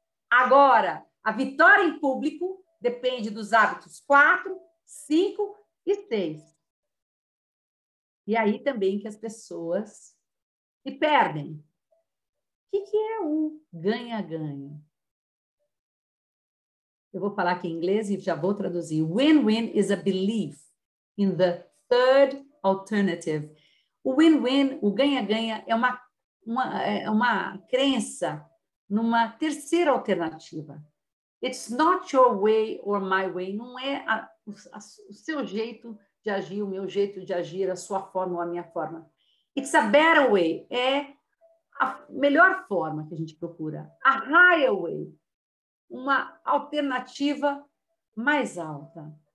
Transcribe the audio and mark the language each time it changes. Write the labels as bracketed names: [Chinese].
[Portuguese] Agora, a vitória em público depende dos hábitos 4, 5 e 6. E aí também que as pessoas se perdem. O que, que é um ganha-ganha? Eu vou falar aqui em inglês e já vou traduzir. [English] Win-win is a belief in the third alternative. [Portuguese] O win-win, o ganha-ganha, é uma crença numa terceira alternativa. [English] It's not your way or my way. [Portuguese] Não é o seu jeito de agir, o meu jeito de agir, a sua forma ou a minha forma. [English] It's a better way. [Portuguese] É a melhor forma que a gente procura. [English] A higher way. [Portuguese] Uma alternativa mais alta.